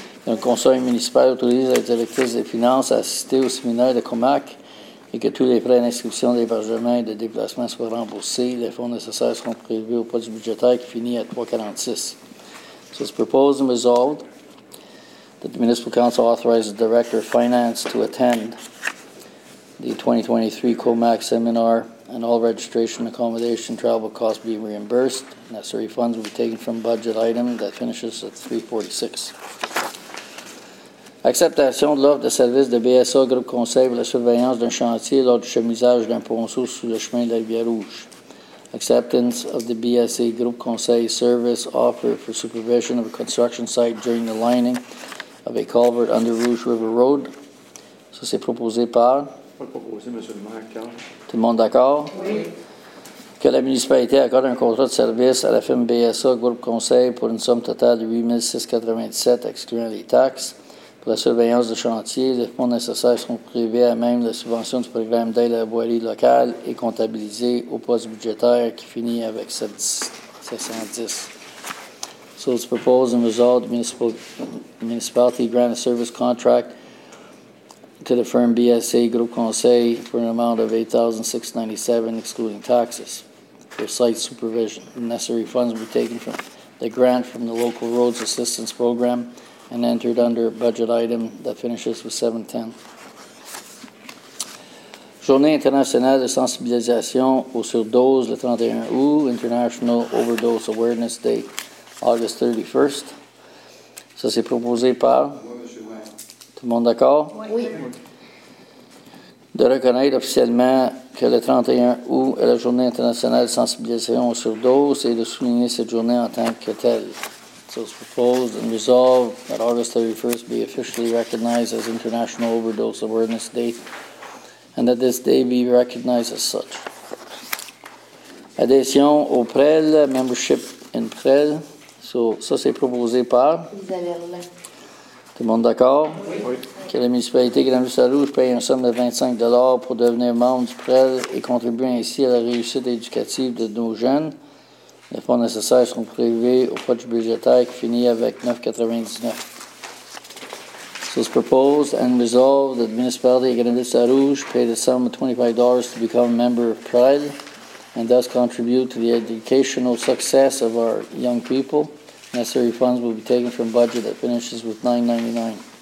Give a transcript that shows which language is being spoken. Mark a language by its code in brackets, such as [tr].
[fr] Le conseil municipal autorise la directrice des finances à assister au séminaire de COMAC et que tous les frais d'inscription, d'hébergement et de déplacement soient remboursés. Les fonds nécessaires seront prévus au poste budgétaire qui finit à 3,46. [en] So it's proposed and resolved that the Municipal Council authorizes the Director of Finance to attend the 2023 COMAC seminar and all registration, accommodation, travel costs be reimbursed. Necessary funds will be taken from budget item that finishes at 3,46. [fr] Acceptation de l'offre de service de BSA Groupe Conseil pour la surveillance d'un chantier lors du chemisage d'un ponceau sous le chemin de la Rivière Rouge. [en] Acceptance of the BSA Groupe Conseil service offer for supervision of a construction site during the lining of a culvert under Rouge River Road. [fr] Ça, c'est proposé par? Proposé, M. le maire, Carl. Tout le monde d'accord? Oui. Que la municipalité accorde un contrat de service à la firme BSA Groupe Conseil pour une somme totale de 8,697 excluant les taxes. Pour la surveillance de chantier, les fonds nécessaires seront prévus à même la subvention du programme d'aide à la voirie locale et comptabilisé au poste budgétaire qui finit avec 710. [en] So it's proposed and resolved the municipality grant a service contract to the firm BSA Groupe Conseil for an amount of $8,697 excluding taxes for site supervision. The necessary funds will be taken from the grant from the local roads assistance program and entered under budget item that finishes with 710. [fr] Journée internationale de sensibilisation aux surdoses, le 31 août, [en] International Overdose Awareness Day, August 31st. [fr] Ça, c'est proposé par? Oui, monsieur. Tout le monde d'accord? Oui. De reconnaître officiellement que le 31 août est la Journée internationale de sensibilisation aux surdoses et de souligner cette journée en tant que telle. [en] So it's proposed and resolved that August 31st be officially recognized as International Overdose Awareness Day and that this day be recognized as such. [fr] Adhésion au PREL, [en] membership in PREL. [fr] So, ça c'est proposé par? Isabelle. Tout le monde d'accord? Oui. Que la municipalité Granville-Sarrouge paye une somme de $25 pour devenir membre du PREL et contribuer ainsi à la réussite éducative de nos jeunes. Les fonds nécessaires sont prévus au poste budgétaire qui finit avec 9,99. [en] So it's proposed and resolved that the municipality of Granville-Sarrouge pay the sum of $25 to become a member of PREL and thus contribute to the educational success of our young people. Necessary funds will be taken from budget that finishes with $9.99.